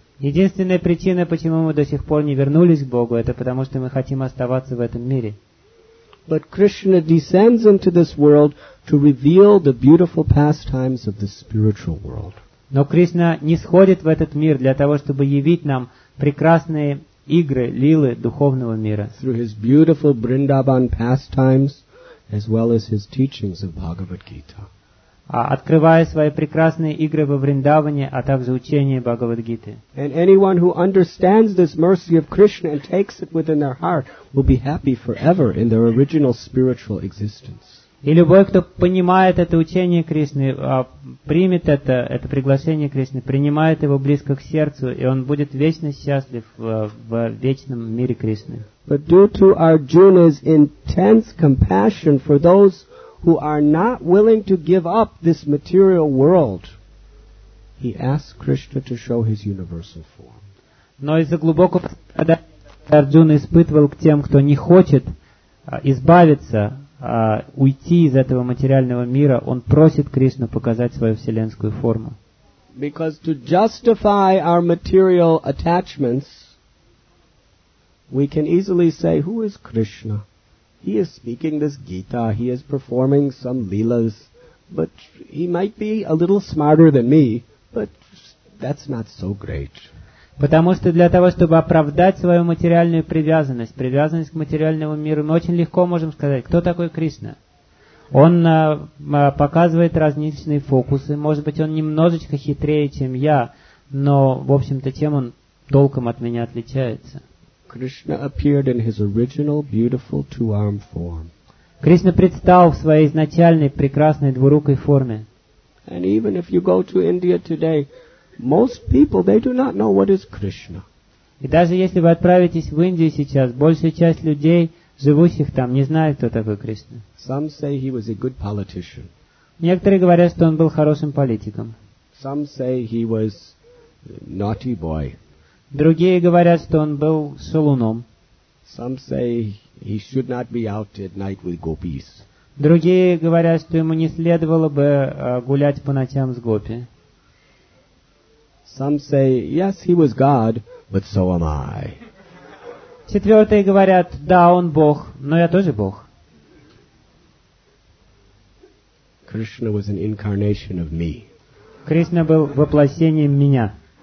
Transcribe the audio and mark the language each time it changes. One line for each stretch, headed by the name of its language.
Russian: Единственная причина, почему мы до сих пор не вернулись к Богу, это потому, что мы хотим оставаться в этом мире.
English: But Krishna descends into this world to reveal the beautiful pastimes of the spiritual world.
Russian: Но Кришна нисходит в этот мир для того, чтобы явить нам прекрасные игры, лилы духовного мира.
English: Through his beautiful Vrindavan pastimes, as well as his teachings of Bhagavad Gita.
Russian: Открывая свои прекрасные игры во Вриндаване, а также учение Бхагавад-гиты.
English: And anyone who understands this mercy of Krishna and takes it within their heart will be happy forever in their original spiritual existence.
Russian: И любой, кто понимает это учение Кришны, примет это приглашение Кришны, принимает его близко к сердцу, и он будет вечно счастлив в вечном мире Кришны.
English: But due to Arjuna's intense compassion for those who are not willing to give up this material world, he asks Krishna to show his universal form.
Russian: Но из-за глубокого страдания Арджуна испытывал к тем, кто не хочет избавиться, уйти из этого материального мира, он просит Кришну показать свою вселенскую форму.
English: Because to justify our material attachments, we can easily say, who is Krishna? He is speaking this Gita, he is performing some leelas, but he might be a little smarter than me, but that's not so great.
Russian: Потому что для того, чтобы оправдать свою материальную привязанность, привязанность к материальному миру, мы очень легко можем сказать, кто такой Кришна. Он показывает различные фокусы, может быть, он немножечко хитрее, чем я, но, в общем-то, тем он толком от меня отличается.
English: Krishna appeared in his original beautiful two-armed form.
Russian: Кришна предстал в своей изначальной прекрасной двурукой форме.
English: And even if you go to India today, most people, they do not know what is Krishna.
Russian: И даже если вы отправитесь в Индию сейчас, большая часть людей, живущих там, не знает, кто такой Кришна.
English: Some say he was a good politician.
Russian: Некоторые говорят, что он был хорошим политиком.
English: Some say he was a naughty boy.
Russian: Другие говорят, что он был шалуном.
English: Some say he should not be out at night with gopis.
Russian: Другие говорят, что ему не следовало бы гулять по ночам с гопи.
English: Some say, yes, he was God, but so am I.
Russian: Четвертые говорят, да, он Бог, но я тоже Бог.
English: Krishna was an incarnation of me.
Russian: Кришна был воплощением меня.